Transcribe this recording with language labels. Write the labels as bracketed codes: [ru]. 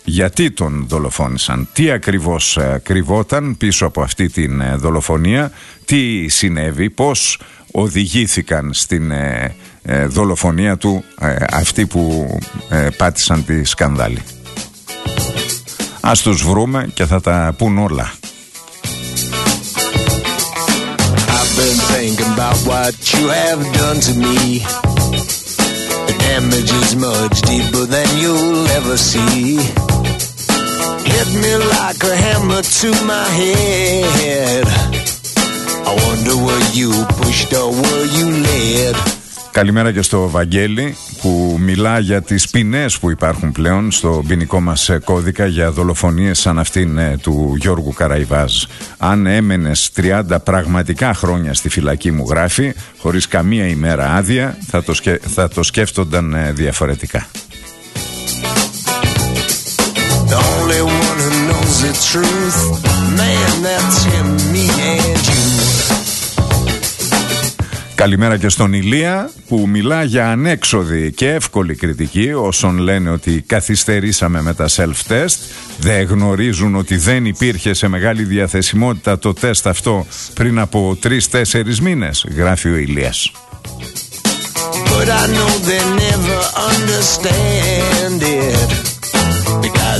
[el] Γιατί τον δολοφόνησαν, τι ακριβώς κρυβόταν πίσω από αυτή την δολοφονία, τι συνέβη, πώς οδηγήθηκαν στην δολοφονία του αυτοί που πάτησαν τη σκανδάλη. Ας τους βρούμε και θα τα πούν όλα. [en] I've been thinking about what you have done to me. The damage is much deeper than you'll ever see. Hit me like a hammer to my head. I wonder where you pushed or where you led. [el] Καλημέρα και στο Βαγγέλη που μιλά για τις ποινές που υπάρχουν πλέον στο ποινικό μας κώδικα για δολοφονίες σαν αυτήν του Γιώργου Καραϊβάζ. Αν έμενες 30 πραγματικά χρόνια στη φυλακή, μου γράφει, χωρίς καμία ημέρα άδεια, θα το σκέφτονταν διαφορετικά. [en] The only one who knows the truth, man, that's him, me and you. [el] Καλημέρα και στον Ηλία που μιλά για ανέξοδη και εύκολη κριτική όσων λένε ότι καθυστερήσαμε με τα self-test. Δεν γνωρίζουν ότι δεν υπήρχε σε μεγάλη διαθεσιμότητα το τεστ αυτό πριν από 3-4 μήνες, γράφει ο Ηλίας. [en] But I know they never understand it.